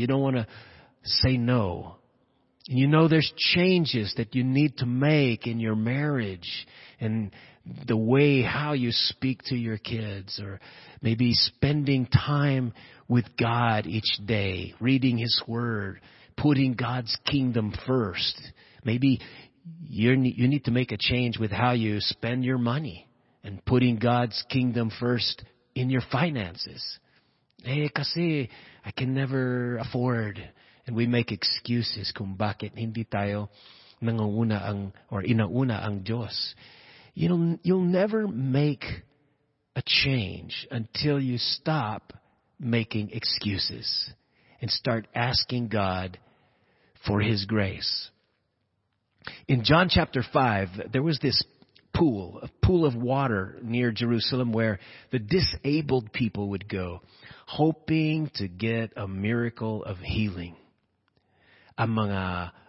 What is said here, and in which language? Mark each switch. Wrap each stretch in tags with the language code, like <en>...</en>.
<en>You don't want to say no. And you know there's changes that you need to make in your marriage and the way how you speak to your kids, or maybe spending time with God each day, reading His Word, putting God's kingdom first. Maybe you need to make a change with how you spend your money and putting God's kingdom first in your finances.</en> <tl>Eh, kasi</tl> <en>I can never afford. And we make excuses</en> <tl>kung bakit hindi tayo nanguna ang or inauna ang Diyos.</tl> <en>You'll never make a change until you stop making excuses and start asking God for His grace. In John chapter 5, there was this pool, a pool of water near Jerusalem where the disabled people would go, hoping to get a miracle of healing.</en> <tl>Ang mga</tl>